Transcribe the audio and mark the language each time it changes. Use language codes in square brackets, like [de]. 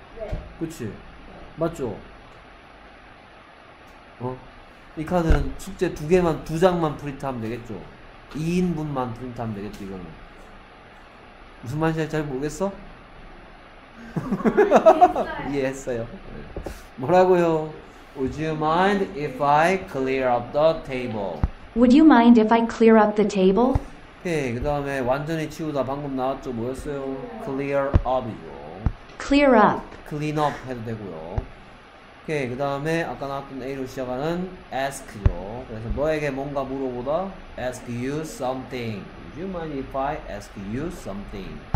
[ko] 네. 그렇지. 맞죠. 어? 이 카드는 숙제 두 개만 두 장만 프린트 하면 되겠죠. 2인분만 프린트하면 되겠지, 이거는. 무슨 말인지 잘 모르겠어? 이해했어요. 뭐라고요? [en] Would you mind if I clear up the table? Would you mind if I clear up the table? [ko] 오케이, 그 다음에 완전히 치우다 방금 나왔죠, 뭐였어요? Clear up이죠. [en] Clear up. [ko] Clean up 해도 되고요. 오케이, 그 다음에 아까 나왔던 A로 시작하는 ask죠. 그래서 너에게 뭔가 물어보다 [en] ask you something. Would you mind if I ask you something?